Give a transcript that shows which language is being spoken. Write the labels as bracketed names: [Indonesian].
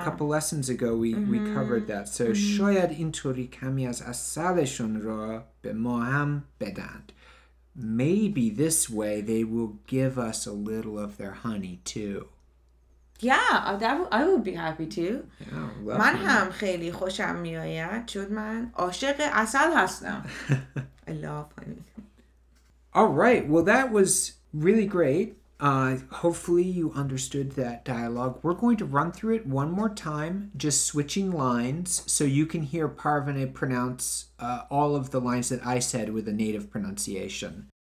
[English] A couple lessons ago we covered that. [Persian] So shoyad inturi kami az asalishun ra bemoham bedant. [English] Maybe this way they will give us a little of their honey too. Yeah, I would be happy too. Yeah, [Persian] من هم خیلی خوشم میآید چون من عاشق عسل هستم. [English] I love honey. All right, well, that was really great. Hopefully you understood that dialogue. We're going to run through it one more time, just switching lines, so you can hear Parvane pronounce all of the lines that I said with a native pronunciation.